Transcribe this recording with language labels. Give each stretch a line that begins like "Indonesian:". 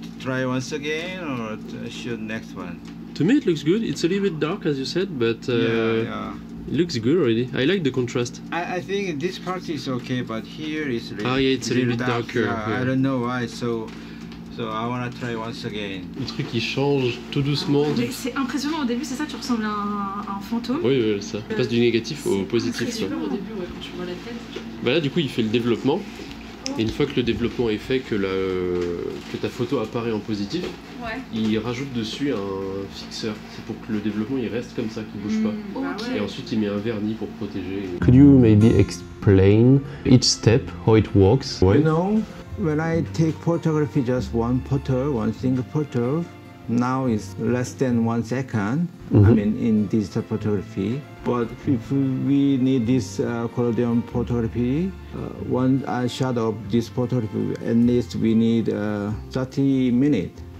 English: Try once again or shoot next one? To me it looks good. It's a little bit dark, as you said, but yeah. It looks good already. I like the contrast. I think this part is okay, but here is really dark. Ah, yeah, it's really a little dark. Bit darker. Yeah, yeah. I don't know why, so I want to try once again.
French: Le truc, il change tout doucement. Mais c'est impressionnant au début, c'est ça, tu ressembles à un fantôme. Oui, oui, ça. Il passe du négatif au positif. C'est super au début, ouais, quand tu vois la tête. Bah là, du coup, il fait le développement. Et une fois que le développement est fait, que ta photo apparaît en positif, ouais. Il rajoute dessus un fixeur. C'est pour que le développement il reste comme ça, qu'il ne bouge pas. Okay. Et ensuite, il met un vernis pour protéger.
English: Could you maybe explain each step, how it works? You know, when I take photography, just one photo, one single photo, now it's less than 1 second, mm-hmm. I mean, in digital photography. But if we need this collodion photography, one shot of this photography, at least we need 30 minutes